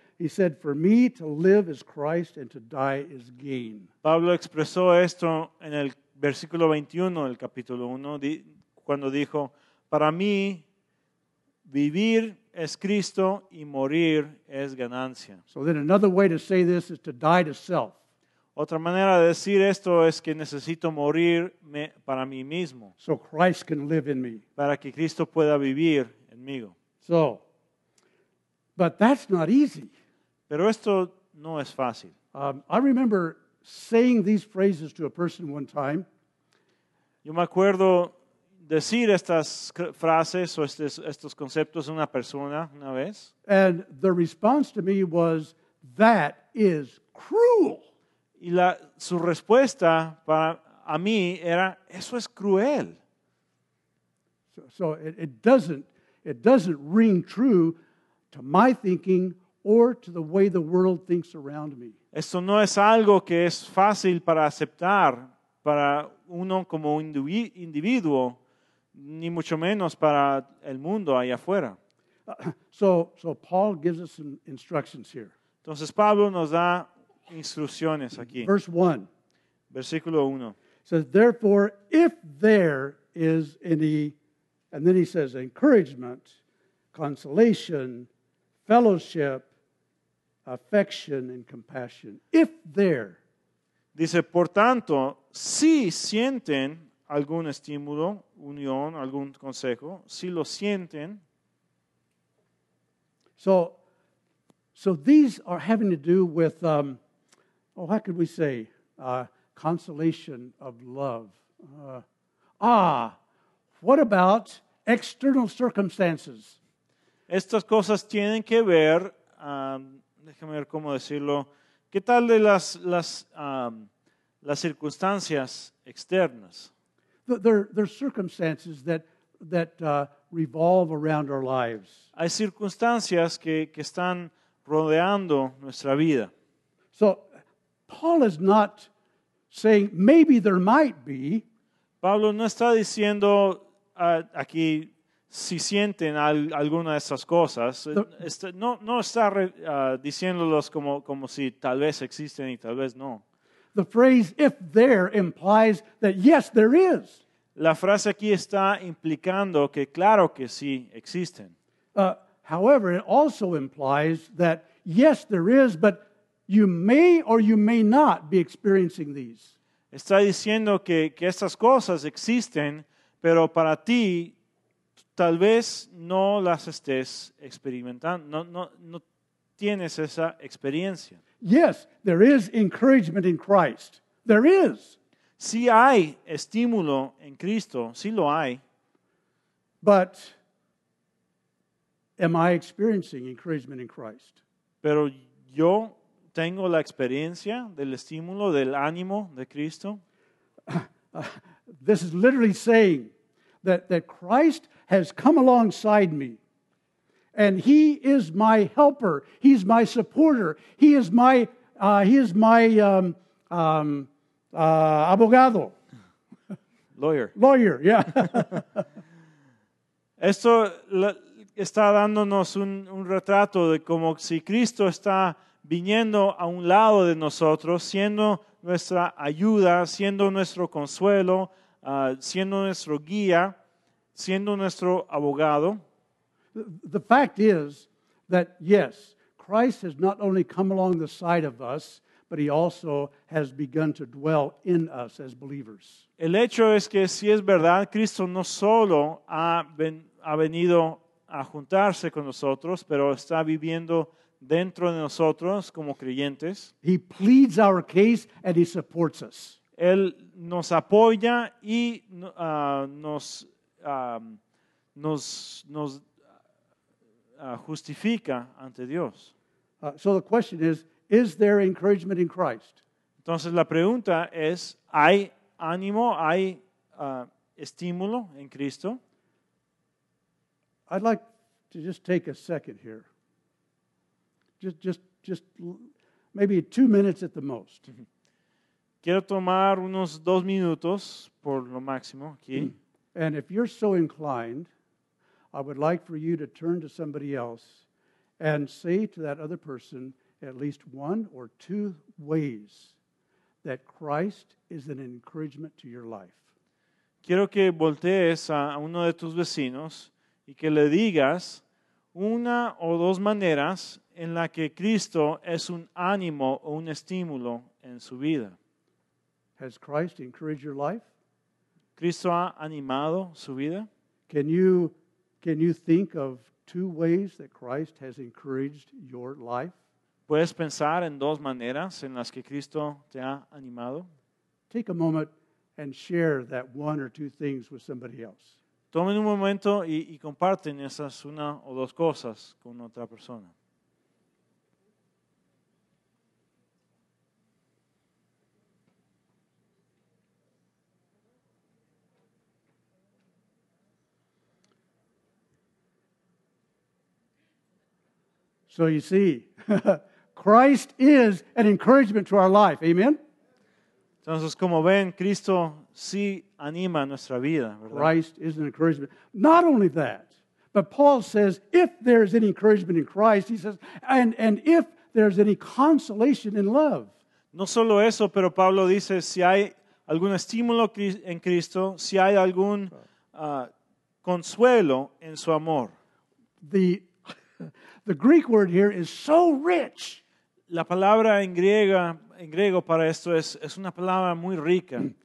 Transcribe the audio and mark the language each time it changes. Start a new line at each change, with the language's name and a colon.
English: He said, "For me to live is Christ and to die is gain."
Spanish: Pablo expresó esto en el versículo 21 del capítulo 1, cuando dijo, "Para mí vivir es Cristo y morir es ganancia."
English: So then another way to say this is to die to self.
Spanish: Otra manera de decir esto es que necesito morir para mí mismo.
English: So Christ can live in me.
Spanish: Para que Cristo pueda vivir en mí.
English: So, but that's not easy.
Spanish: Pero esto no es fácil.
English: I remember saying these phrases to a person one time.
Spanish: Yo me acuerdo decir estas frases o estos conceptos a una persona una vez.
English: And the response to me was, "That is cruel."
Spanish: Y su respuesta a mí era, "Eso es cruel."
English: So it doesn't ring true to my thinking or to the way the world thinks around me.
Spanish: Esto no es algo que es fácil para aceptar para uno como individuo, ni mucho menos para el mundo allá afuera.
English: So Paul gives us some instructions here.
Spanish: Entonces Pablo nos da instrucciones aquí.
English: Verse 1.
Spanish: Versículo 1.
English: Says, "Therefore, if there is any," and then he says, "encouragement, consolation, fellowship, affection, and compassion." If there.
Spanish: Dice, "Por tanto, si sienten algún estímulo, unión, algún consejo, si lo sienten."
English: So these are having to do with, how could we say, consolation of love. What about external circumstances?
Spanish: Estas cosas tienen que ver, déjame ver cómo decirlo, ¿qué tal de las circunstancias externas?
English: There are circumstances that revolve around our lives.
Spanish: Hay circunstancias que están rodeando nuestra vida.
English: So Paul is not saying maybe there might be.
Spanish: Pablo no está diciendo aquí si sienten alguna de esas cosas. No está diciéndolos como si tal vez existen y tal vez no.
English: The phrase "if there" implies that yes, there is.
Spanish: La frase aquí está implicando que claro que sí existen.
English: However, it also implies that yes, there is, but you may or you may not be experiencing these.
Spanish: Está diciendo que estas cosas existen, pero para ti tal vez no las estés experimentando, no tienes esa experiencia.
English: Yes, there is encouragement in Christ. There is.
Spanish: Sí hay estímulo en Cristo, sí lo hay.
English: But am I experiencing encouragement in Christ?
Spanish: Pero yo tengo la experiencia del estímulo, del ánimo de Cristo.
English: This is literally saying that Christ has come alongside me. And he is my helper. He's my supporter. He is my abogado. Lawyer. Lawyer, yeah.
Spanish: Esto está dándonos un retrato de como si Cristo está viniendo a un lado de nosotros, siendo nuestra ayuda, siendo nuestro consuelo, siendo nuestro guía, siendo nuestro abogado.
English: The fact is that, yes, Christ has not only come along the side of us, but he also has begun to dwell in us as believers.
Spanish: El hecho es que, si es verdad, Cristo no solo ha venido a juntarse con nosotros, pero está viviendo dentro de nosotros como creyentes.
English: He pleads our case and he supports us.
Spanish: Él nos apoya y nos justifica ante Dios.
English: So the question is there encouragement in Christ?
Spanish: Entonces la pregunta es, ¿hay ánimo, hay estímulo en Cristo?
English: I'd like to just take a second here. Just maybe 2 minutes at the most.
Spanish: Quiero tomar unos 2 minutos por lo máximo aquí.
English: And if you're so inclined, I would like for you to turn to somebody else and say to that other person at least one or two ways that Christ is an encouragement to your life.
Spanish: Quiero que voltees a uno de tus vecinos y que le digas una o dos maneras en la que Cristo es un ánimo o un estímulo en su vida.
English: Has Christ encouraged your life?
Spanish: ¿Cristo ha animado su vida?
English: Can you think of two ways that Christ has encouraged your life?
Spanish: ¿Puedes pensar en dos maneras en las que Cristo te ha animado?
English: Take a moment and share that one or two things with somebody else.
Spanish: Tomen un momento y comparten esas una o dos cosas con otra persona.
English: So you see, Christ is an encouragement to our life. Amen?
Spanish: Entonces, como ven, Cristo sí anima nuestra vida, ¿verdad?
English: Christ is an encouragement. Not only that, but Paul says, if there is any encouragement in Christ, he says, and if there is any consolation in love.
Spanish: No solo eso, pero Pablo dice, si hay algún estímulo en Cristo, si hay algún consuelo en su amor.
English: The Greek word here is so rich.
Spanish: La palabra en griego para esto es una palabra muy rica.